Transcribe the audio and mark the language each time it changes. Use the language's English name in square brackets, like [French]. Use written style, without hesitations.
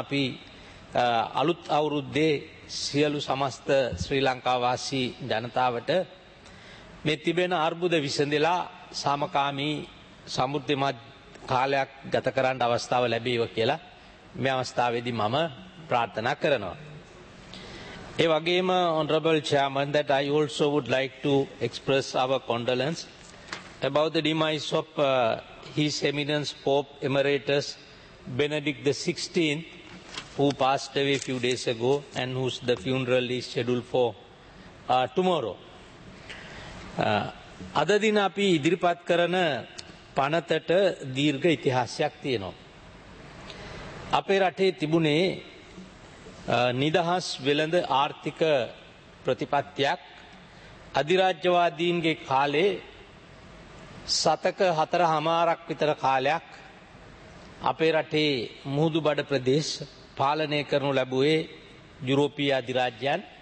[Sinhala] අපි අලුත් අවුරුද්දේ සියලු සමස්ත ශ්‍රී ලංකාවාසී ජනතාවට මේ තිබෙන අර්බුද විසඳලා සාමකාමී සමෘද්ධිමත් කාලයක් ගත කරන්න අවස්ථාව ලැබීව කියලා මේ අවස්ථාවේදී මම ප්‍රාර්ථනා කරනවා. ඒ වගේම [English] honorable chairman that I also would like to express our condolence about the demise of His Eminence Pope Emeritus Benedict the 16th, who passed away a few days ago and whose the funeral is scheduled for tomorrow. [Sinhala] අද දින අපි ඉදිරිපත් කරන පනතට දීර්ඝ ඉතිහාසයක් තියෙනවා. අපේ රටේ තිබුණේ නිදහස් වෙළඳ ආර්ථික ප්‍රතිපත්තියක්. අධිරාජ්‍යවාදීන්ගේ කාලේ සතක හතරහමාරක් විතර කාලයක් අපේ රටේ මුහුදු බඩ ප්‍රදේශ පාලනය කරනු ලැබුවේ යුරෝපීය අධිරාජ්‍යයන්.